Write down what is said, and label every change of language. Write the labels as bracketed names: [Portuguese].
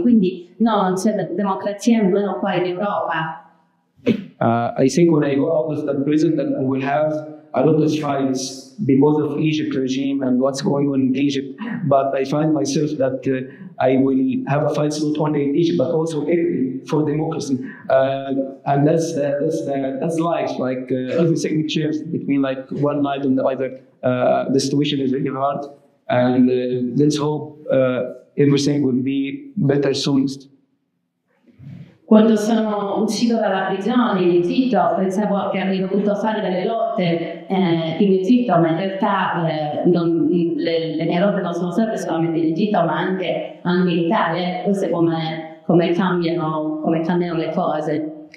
[Italian] Quindi no, non c'è democrazia nemmeno qua in Europa. [English] I think when I go out of the prison that we will have a lot of fights because of Egypt regime and what's going on in Egypt, but I find myself that I will have a fight not only in Egypt but also Italy for democracy, and that's life, like every signature between like one night and the other. The situation is really hard, and let's hope everything will be better soon. [Italian] Quando sono uscito dalla prigione in Egitto, pensavo che avrei dovuto fare delle lotte in Egitto, ma in realtà le mie lotte non sono state solamente in Egitto, ma anche in Italia. Questo è come cambiano le cose.